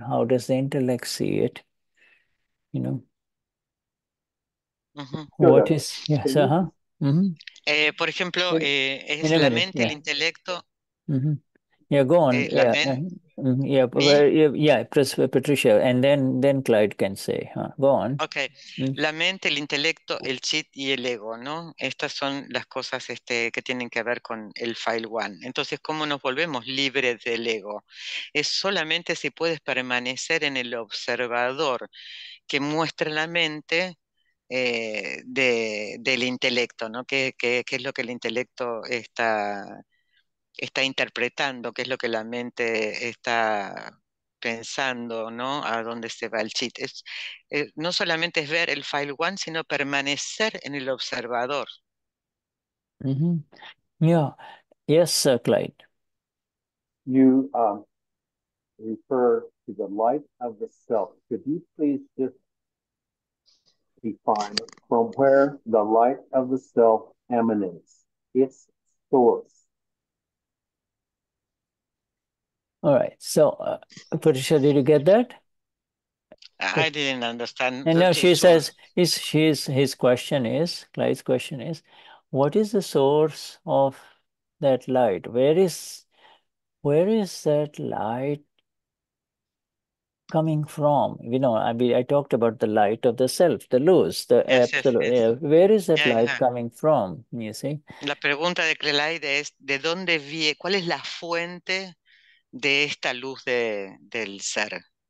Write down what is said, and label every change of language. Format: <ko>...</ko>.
<en>How does the intellect see it? You know? What is... Yes,</en> <es>Por ejemplo, es la mente, el intelecto...</es> <en>Yeah, go on. Patricia, and then Clyde can say, go on.</en> <es>Okay, la mente, el intelecto, el chit y el ego, ¿no? Estas son las cosas que tienen que ver con el file one. Entonces, ¿cómo nos volvemos libres del ego? Es solamente si puedes permanecer en el observador que muestra la mente del intelecto, ¿no? ¿Qué es lo que el intelecto está interpretando, qué es lo que la mente está pensando, ¿no? A dónde se va el chit. No solamente es ver el file one, sino permanecer en el observador.</es> <en>Clyde. You refer to the light of the self. Could you please just define from where the light of the self emanates, its source? All right, so Patricia, did you get that? I didn't understand. And now she says, his question is, Clyde's question is, what is the source of that light? Where is that light coming from? You know, I talked about the light of the self, the luz, the absolute. Yes. Where is that light coming from, you see?</en> <es>La pregunta de Clyde es, ¿de dónde viene? ¿Cuál es la fuente de esta luz del ser?</es>